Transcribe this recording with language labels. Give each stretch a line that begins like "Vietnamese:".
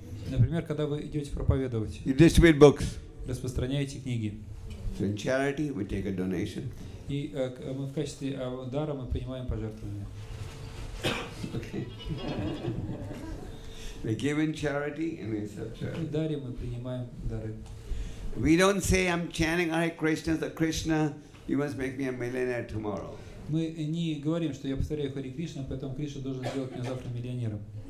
Russian: Например, когда вы идете проповедовать.
English: You distribute books.
Russian: Распространяете книги.
English: So in charity, we take a donation.
Russian: И мы в качестве дара мы принимаем пожертвования.
English: Okay. We give in charity and we accept charity.
Russian: И дарим, мы принимаем дары.
English: We don't say, I'm chanting Hare Krishna, the Krishna, you must make me a millionaire tomorrow.
Russian: Мы не говорим, что я повторяю Хари Кришна, поэтому Кришна должен сделать меня завтра миллионером.